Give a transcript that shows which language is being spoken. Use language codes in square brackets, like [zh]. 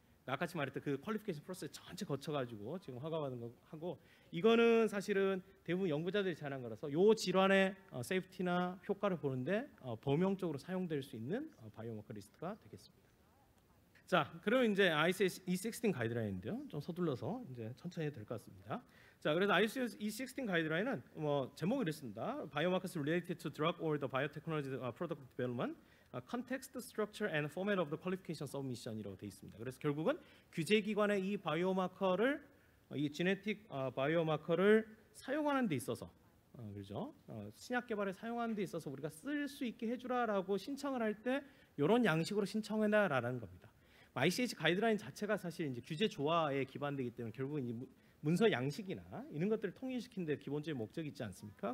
[ko] 아까 말했던 그 퀄리피케이션 프로세스 전체 거쳐가지고 지금 허가받은 거 하고, 이거는 사실은 대부분 연구자들이 제안한 거라서 이 질환의 세이프티나 효과를 보는데 범용적으로 사용될 수 있는 바이오마커 리스트가 되겠습니다. 자, 그러면 이제 ICH-E16 가이드라인인데요. 좀 서둘러서 이제 천천히 해도 될 것 같습니다. 자, 그래서 ICH-E16 가이드라인은 뭐 제목이 이랬습니다. [en] Biomarkers related to drug or the biotechnology product development. Context, structure, and format of the qualification submission이라고 [ko] 되어 있습니다. 그래서 결국은 규제 기관의 이 바이오마커를, 이 지네틱 바이오마커를 사용하는 데 있어서, 그렇죠? 신약 개발에 사용하는 데 있어서 우리가 쓸 수 있게 해주라라고 신청을 할 때 이런 양식으로 신청해라라는 겁니다. ICH 가이드라인 자체가 사실 이제 규제 조화에 기반되기 때문에 결국은 이 문서 양식이나 이런 것들을 통일시킨 데 기본적인 목적이 있지 않습니까?